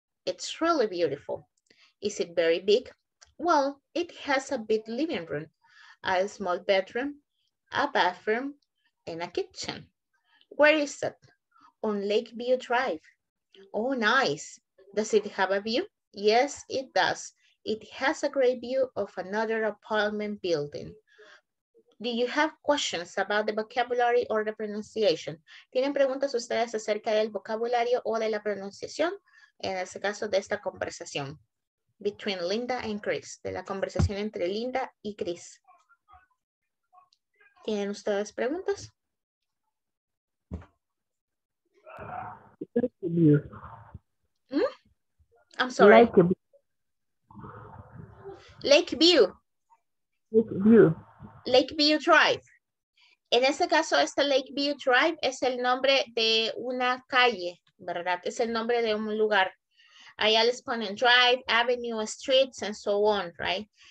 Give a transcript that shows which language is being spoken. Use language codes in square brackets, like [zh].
[en] It's really beautiful. Is it very big? Well, it has a big living room, a small bedroom, a bathroom, and a kitchen. Where is it? On Lakeview Drive. Oh, nice. Does it have a view? Yes, it does. It has a great view of another apartment building. Do you have questions about the vocabulary or the pronunciation? [es] ¿Tienen preguntas ustedes acerca del vocabulario o de la pronunciación? En este caso, de esta conversación. [en] Between Linda and Chris. [es] De la conversación entre Linda y Chris. ¿Tienen ustedes preguntas? [en] I'm sorry. Lakeview. Lakeview Drive. [es] En ese caso, este Lakeview Drive es el nombre de una calle, ¿verdad? Es el nombre de un lugar. Allá les ponen [en] drive, avenue, streets, and so on, right?